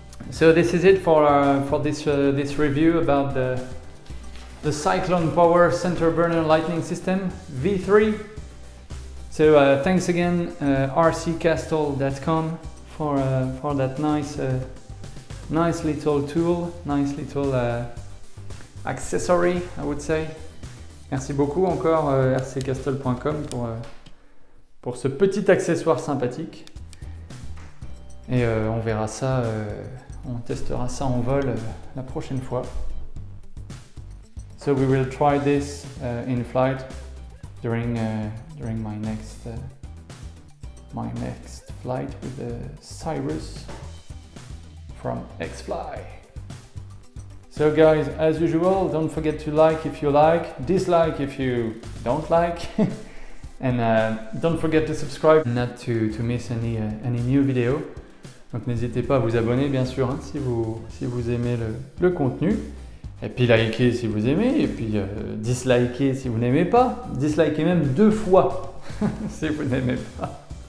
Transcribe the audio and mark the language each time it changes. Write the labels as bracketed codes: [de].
[en] So this is it for this review about the Cyclone Power CenterBurner Lightning System V3. So thanks again rccastle.com for that nice little tool, nice little accessory, I would say. [fr] Merci beaucoup encore rccastle.com pour ce petit accessoire sympathique. Et on verra ça, on testera ça en vol la prochaine fois. [en] So we will try this in flight during my next flight with the Sirius from XFly. So guys, as usual, don't forget to like if you like, dislike if you don't like, and don't forget to subscribe not to miss any new video. [fr] Donc n'hésitez pas à vous abonner bien sûr hein, si vous aimez le contenu, et puis likez si vous aimez, et puis dislikez si vous n'aimez pas, dislikez même deux fois si vous n'aimez pas.